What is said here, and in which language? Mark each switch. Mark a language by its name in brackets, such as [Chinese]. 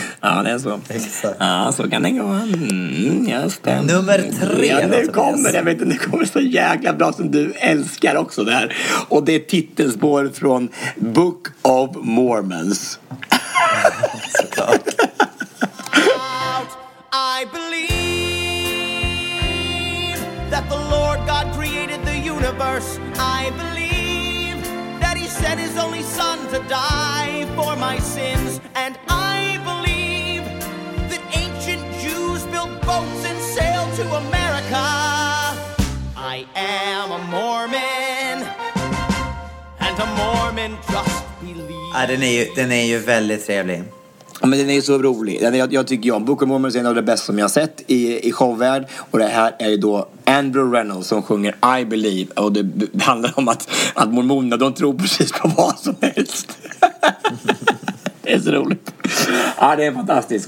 [Swedish] Ja, det är så. Exakt. Ja, så kan det gå. Just det. Nummer tre. Ja, nu kommer så jäkla bra som du älskar också det här. Och det är titelspår från Book of Mormons. Såklart. [English] I believe that the Lord God created the universe. I believe sent his only son to die for my sins. And I believe that ancient Jews built boats and sailed to America. I am a Mormon, and a Mormon just believes. [Swedish] Ah, den är ju väldigt trevlig. Ja, men den är ju så rolig. Jag tycker om Book of Mormon, är en av det bästa som jag har sett i showvärld. Och det här är ju då Andrew Reynolds som sjunger I Believe. Och det handlar om att mormonerna, de tror precis på vad som helst. Det är så roligt. Ja, det är fantastiskt.